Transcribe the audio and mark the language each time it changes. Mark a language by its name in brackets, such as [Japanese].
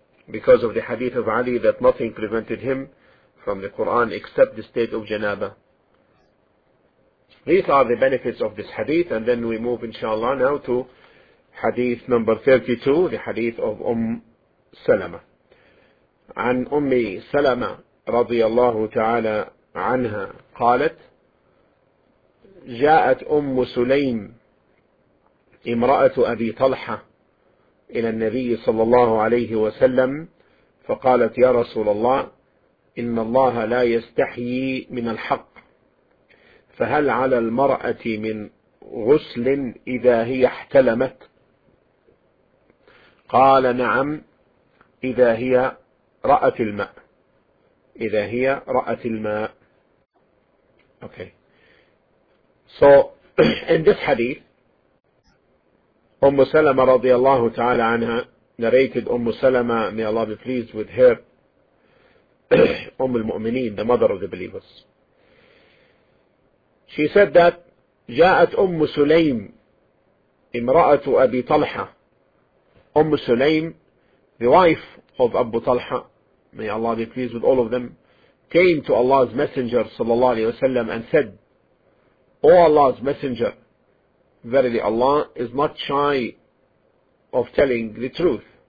[English] Because of the hadith of Ali that nothing prevented him from the Quran except the state of janabah. These are the benefits of this hadith, and then we move inshallah now to hadith number 32, the hadith of Salama. [Arabic] عن أم سلمة رضي الله تعالى عنها قالت جاءت أم سليم امرأة أبي طلحة إلى النبي صلى الله عليه وسلم فقالت يا رسول الله إن الله لا يستحيي من الحق فهل على المرأة من غسل إذا هي احتلمت قال نعم إذا هي رأت الماء إذا هي رأت الماء. [English] Okay. So in this hadith, Umm Salama radiallahu ta'ala anha narrated Umm Salama, may Allah be pleased with her, Umm al-Mu'mineen, the mother of the believers. She said that [Arabic] جاءت أم سليم امرأة أبي طلحة. [English] Umm Sulaym, the wife of Abu Talha, may Allah be pleased with all of them, came to Allah's Messenger sallallahu alayhi wa sallam and said, O Allah's Messenger, verily Allah is not shy of telling the truth.